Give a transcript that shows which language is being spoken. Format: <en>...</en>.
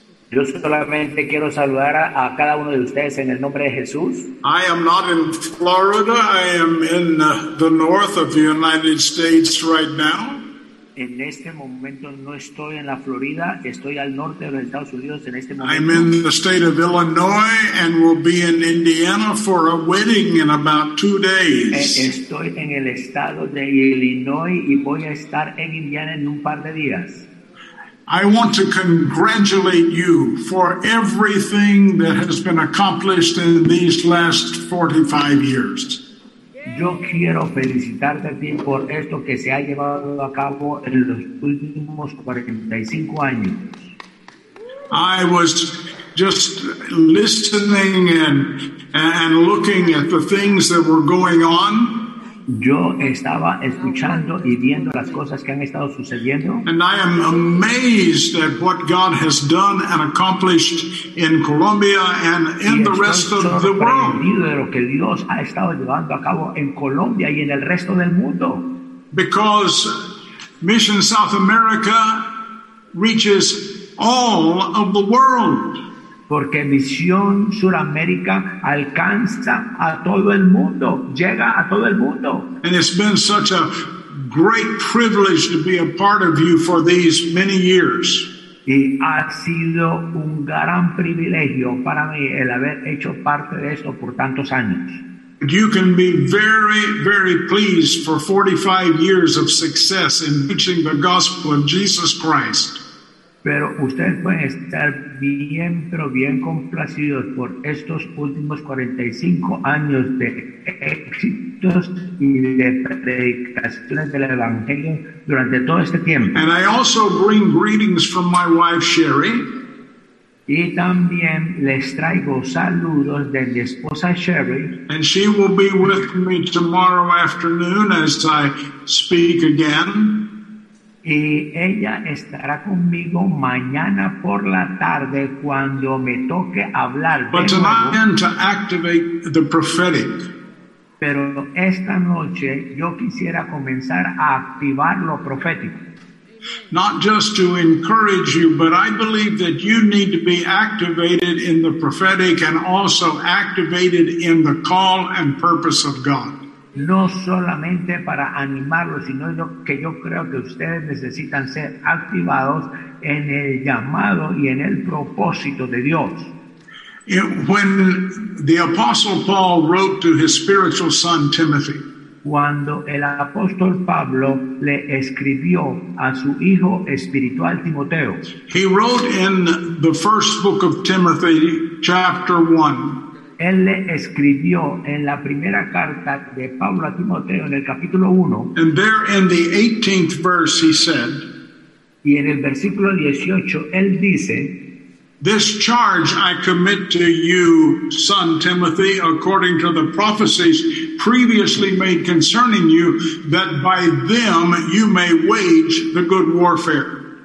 <es>Yo solamente quiero saludar a cada uno de ustedes en el nombre de Jesús.</es> <en>I am not in Florida. I am in the north of the United States right now.</en> <es>En este momento no estoy en la Florida. Estoy al norte de los Estados Unidos en este momento.</es> <en>I'm in the state of Illinois and will be in Indiana for a wedding in about 2 days.</en> <es>Estoy en el estado de Illinois y voy a estar en Indiana en un par de días.</es> <en>I want to congratulate you for everything that has been accomplished in these last 45 years.</en> <es>Yo quiero felicitarte a ti por esto que se ha llevado a cabo en los últimos 45 años.</es> <en>I was just listening and looking at the things that were going on.</en> <es>Yo estaba escuchando y viendo las cosas que han estado sucediendo.</es> <en>And I am amazed at what God has done and accomplished in Colombia and in the rest of the world.</en> <es>Y estoy sorprendido de lo que Dios ha estado llevando a cabo en Colombia y en el resto del mundo.</es> <en>Because Mission South America reaches all of the world.</en> <es>Porque Misión Suramérica alcanza a todo el mundo, llega a todo el mundo.</es> <en>And it's been such a great privilege to be a part of you for these many years.</en> <es>Y ha sido un gran privilegio para mí el haber hecho parte de esto por tantos años.</es> <en>You can be very, very pleased for 45 years of success in preaching the gospel of Jesus Christ.</en> <es>Pero ustedes pueden estar bien, pero bien complacidos por estos últimos 45 años de éxitos y de predicaciones del Evangelio durante todo este tiempo.</es> <en>And I also bring greetings from my wife, Sherry.</en> <es>Y también les traigo saludos de mi esposa, Sherry.</es> <en>And she will be with me tomorrow afternoon as I speak again.</en> <es>Y ella estará conmigo mañana por la tarde cuando me toque hablar.</es> <en>But tonight I'm to activate the prophetic.</en> <es>Pero esta noche yo quisiera comenzar a activar lo profético.</es> <en>Not just to encourage you, but I believe that you need to be activated in the prophetic and also activated in the call and purpose of God.</en> <es>No solamente para animarlos, sino que yo creo que ustedes necesitan ser activados en el llamado y en el propósito de Dios.</es> <en>When the Apostle Paul wrote to his spiritual son Timothy,</en> <es>cuando el apóstol Pablo le escribió a su hijo espiritual Timoteo,</es> <en>he wrote in the first book of Timothy, chapter 1.</en> <es>Él le escribió en la primera carta de Pablo a Timoteo en el capítulo 1.</es> <en>And there in the 18th verse he said,</en> <es>y en el versículo 18 él dice,</es> <en>this charge I commit to you, son Timothy, according to the prophecies previously made concerning you, that by them you may wage the good warfare.</en>